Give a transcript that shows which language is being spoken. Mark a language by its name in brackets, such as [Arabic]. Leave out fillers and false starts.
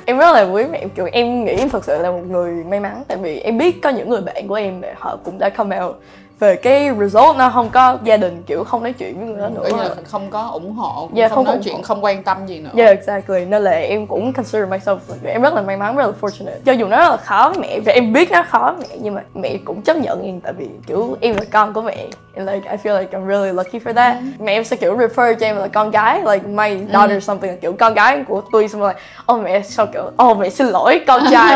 [Vietnamese] Em rất là quý mẹ em, kiểu em nghĩ em thật sự là một người may mắn tại vì em biết có những người bạn của em mà họ cũng đã come out về cái result, nó không có gia đình kiểu không nói chuyện với người đó nữa, không có ủng hộ, yeah, không nói chuyện, không quan tâm gì nữa. [English] Yeah, exactly. [Vietnamese] Nên là em cũng consider myself like, em rất là may mắn, rất là fortunate. Cho dù nó rất là khó với mẹ và em biết nó khó với mẹ, nhưng mà mẹ cũng chấp nhận em tại vì kiểu em là con của mẹ. [English] And like I feel like I'm really lucky for that. [Vietnamese] Mẹ em sẽ kiểu refer cho em là con gái, [English] like my daughter something, [Vietnamese] kiểu con gái của tôi. Xong rồi like oh mẹ sao kiểu oh mẹ xin lỗi con trai.